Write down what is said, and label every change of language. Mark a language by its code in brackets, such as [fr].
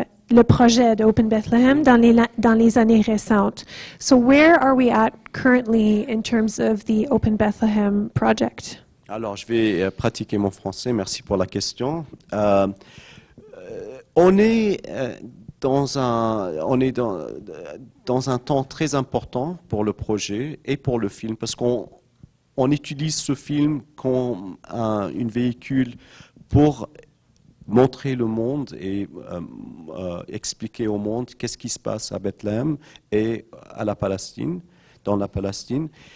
[fr] le projet d'Open Bethlehem dans les années récentes. [en] So where are we at currently in terms of the Open Bethlehem project? [fr] Alors, je vais pratiquer mon français. Merci pour la question. On est dans un temps très important pour le projet et pour le film, parce qu'on utilise ce film comme un véhicule pour montrer le monde et expliquer au monde qu'est-ce qui se passe à Bethléem et à la Palestine, dans la Palestine.